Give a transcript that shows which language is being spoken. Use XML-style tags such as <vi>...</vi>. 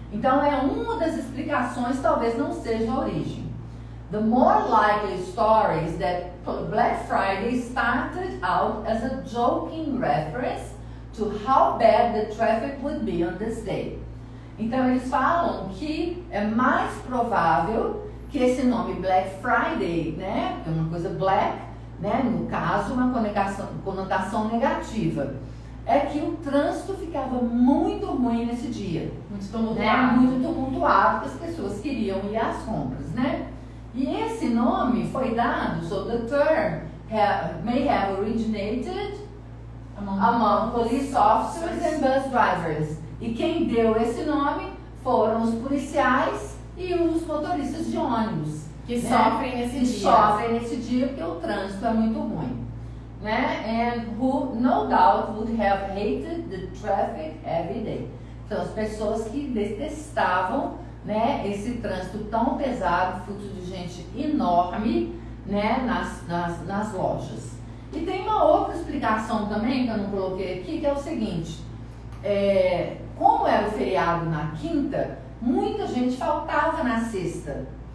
<pt>Então, é uma das explicações, talvez não seja a origem.</pt> <en>The more likely story is that Black Friday started out as a joking reference to how bad the traffic would be on this day.</en> <pt>Então, eles falam que é mais provável que esse nome Black Friday, né, é uma coisa black, né? No caso, uma conotação negativa. É que o trânsito ficava muito ruim nesse dia. Muito tumultuado. Né? Muito tumultuado, porque as pessoas queriam ir às compras, né? E esse nome foi dado,</pt> <en>so the term may have originated among police officers and bus drivers.</en> <pt>E quem deu esse nome foram os policiais e os motoristas de ônibus. Que sofrem nesse dia. Sofrem nesse dia porque o trânsito é muito ruim. Né?</pt> <en>And who no doubt would have hated the traffic every day.</en> <pt>Então, as pessoas que detestavam, né, esse trânsito tão pesado, fluxo de gente enorme, né, nas lojas. E tem uma outra explicação também que eu não coloquei aqui, que é o seguinte: como era o feriado na quinta, muita gente faltava na sexta.</pt>